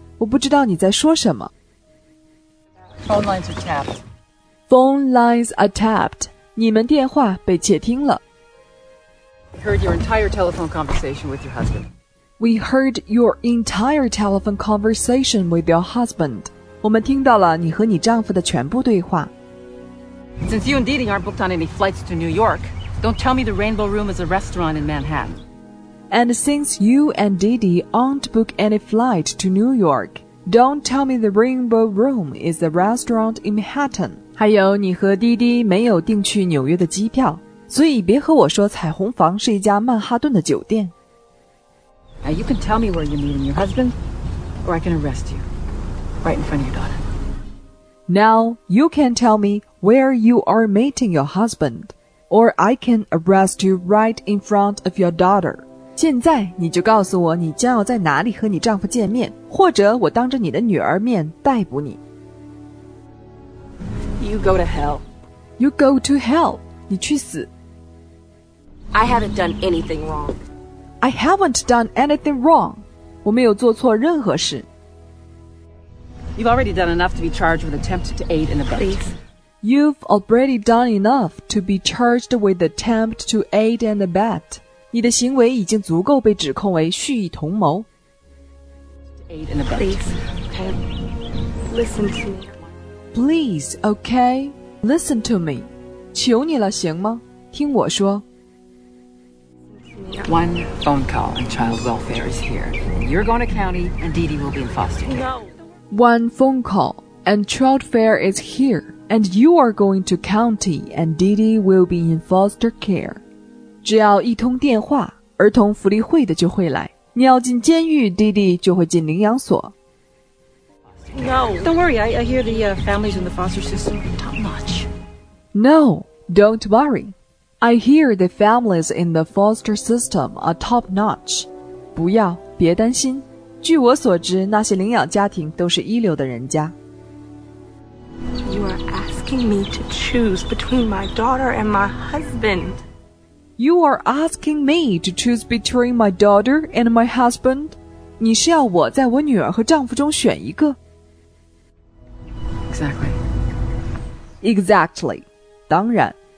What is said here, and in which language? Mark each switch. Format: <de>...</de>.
<zh>我不知道你在说什么。</zh> <en>Phone lines are tapped. Phone lines are tapped.</en> <zh>你们电话被窃听了。</zh> <en>Heard your entire telephone conversation with your husband. We heard your entire telephone conversation with your husband.</en> <zh>我们听到了你和你丈夫的全部对话。</zh> <en>Since you and Didi aren't booked on any flights to New York, don't tell me the Rainbow Room is a restaurant in Manhattan. And since you and Didi aren't booked any flight to New York, don't tell me the Rainbow Room is a restaurant in Manhattan.</en> <zh>还有你和 Didi 没有订去纽约的机票，所以别和我说彩虹房是一家曼哈顿的酒店。</zh> <en>Now you can tell me where you're meeting your husband, or I can arrest you right in front of your daughter. Now you can tell me where you are meeting your husband, or I can arrest you right in front of your daughter.</en> <zh>现在你就告诉我你将要在哪里和你丈夫见面，或者我当着你的女儿面逮捕你。</zh> <en>You go to hell. You go to hell.</en> <zh>你去死。</zh> <en>I haven't done anything wrong. I haven't done anything wrong.</en> <zh>我没有做错任何事。</zh> <en>You've already done enough to be charged with attempt to aid and abet. Please. You've already done enough to be charged with attempt to aid and abet.</en> <zh>你的行为已经足够被指控为蓄意同谋。</zh> <en>Aid and abet. Please, okay? Listen to me. Please, okay? Listen to me.</en> <zh>求你了，行吗？听我说。</zh> <en>One phone call and child welfare is here. You're going to county and Didi will be in foster care. No. One phone call and child welfare is here. And you are going to county and Didi will be in foster care.</en> <zh>只要一通电话，儿童福利会的就会来。你要进监狱， Didi 就会进领养所。</zh> <en>No. Don't worry, I hear the families in the foster system. Not much. No, don't worry. I hear the families in the foster system are top-notch.</en> <zh>不要，别担心。据我所知，那些领养家庭都是一流的人家。</zh> <en>You are asking me to choose between my daughter and my husband. You are asking me to choose between my daughter and my husband.</en> <zh>你是要我在我女儿和丈夫中选一个。</zh> <en>Exactly. Exactly.</en> <zh>当然。</zh>